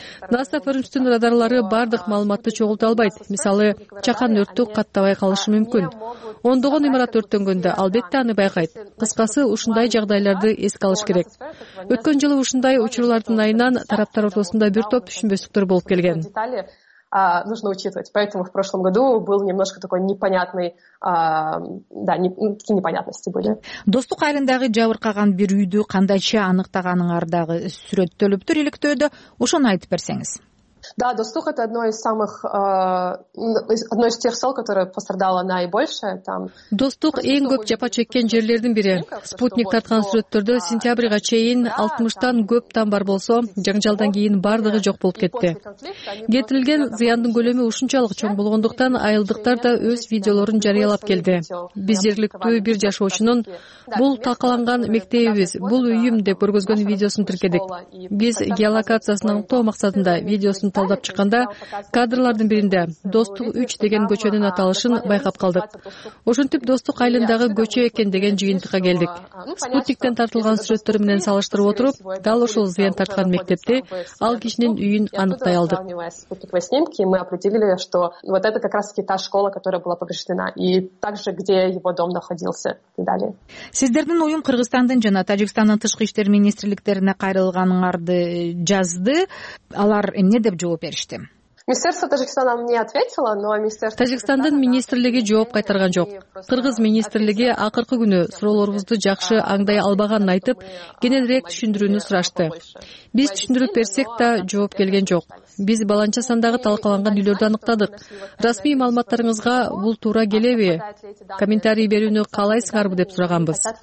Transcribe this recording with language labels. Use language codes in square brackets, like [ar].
[ky] NASA Firms'тун радарлары бардык маалыматты чогулта албайт. Мисалы, чакан өрттү каттабай калышы мүмкүн. Ондогон имарат өрттөнгөндө албетте аны байкайт. Кыскасы, ушундай жагдайларды эске алыш керек. Өткөн жылы ушундай учурлардын айынан тараптар ортосунда бир топ түшүнбөстүктөр болуп келген. [ru] Нужно учитывать. Поэтому в прошлом году был немножко такой непонятный, какие непонятности были. [ky] Достук айылындагы жабыркаган бир үйдү кандайча аныктаганыңар дагы сүрөттөлүптүр иликтөөдө. Ошону айтып берсеңиз. [ru] Да, Достук это одно из тех сел, которое пострадало наибольше. Там [ky] Достук эң көп жапа чеккен жерлердин бири. Спутник тарткан сүрөттөрдө сентябрга чейин 60-тан көп тамбар болсо, жаңжалдан кийин бардыгы жок болуп кетти. Кетирилген зыяндын көлөмү ушунчалык чоң болгондуктан айылдыктар да өз видеолорун жарыялап келди. Биз жергиликтүү бир жашоочунун бул талкаланган мектебибиз, бул үйүм деп көргөзгөн видеосун тиркедик. Биз геолокациясын аныктоо максатында видео талдап чыкканда кадрлардын биринде Достук 3 деген көчөнүн аталышын байкап калдык. Ошентип Достук айылындагы көчө экен деген жыйынтыкка келдик. Спутниктен тартылган сүрөттөр менен салыштырып отуруп, дал ошол зыян тарткан мектепти, ал кишинин үйүн аныктай алдык. [ru] Спутниковые снимки мы определили, что вот это как раз-таки та школа, которая была повреждена, и также где его дом находился и далее. [ky] Сиздердин уюм Кыргызстандын жана Тажикстандын тышкы иштер министрликтерине кайрылганыңарды жазды. Алар эмне деп жооп беришти? [ru] Министерство Тажикстана мне ответило, но министерство [ky] Тажикстандын министрлиги жооп кайтарган жок. Кыргыз министрлиги акыркы күнү суроолорубузду жакшы аңдай албаганын айтып, кененирээк түшүндүрүүнү сурашты. Биз түшүндүрүп берсек да жооп келген жок. Биз баланча сандагы талкаланган үйлөрдү аныктадык. Расмий маалыматтарыңызга бул туура келеби? Комментарий берүүнү каалайсыңарбы деп сураганбыз.